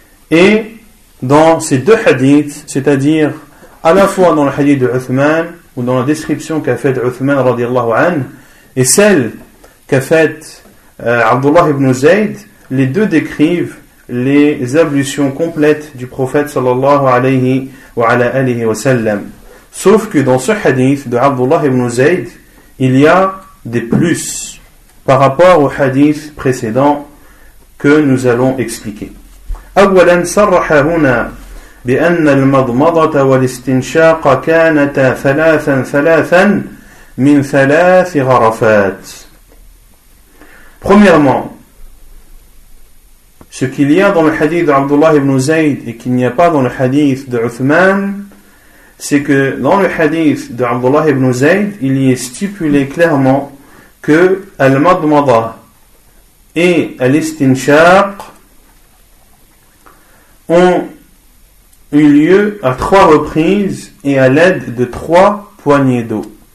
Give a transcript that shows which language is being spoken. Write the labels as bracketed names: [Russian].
[French] Et dans ces deux hadiths, c'est-à-dire à la fois dans le hadith de Uthman ou dans la description qu'a faite Uthman radiyallahu anhu et celle qu'a faite Abdullah ibn Zayd, les deux décrivent les ablutions complètes du prophète sallallahu alayhi wa ala alihi wa sallam. Sauf que dans ce hadith de Abdullah ibn Zayd, il y a des plus par rapport au hadith précédent que nous allons expliquer. [Arabic] أولاً صرح هنا بأن المضمضة والاستنشاق كانتا ثلاثاً ثلاثاً من ثلاث غرفات. [French] Premièrement, ce qu'il y a dans le hadith d'Abdullah ibn Zayd et qu'il n'y a pas dans le hadith de Uthman, c'est que dans le hadith d'Abdullah ibn Zayd, il y est stipulé clairement que al-madmada et al-istinshaq ont eu lieu à trois reprises et à l'aide de trois poignées d'eau.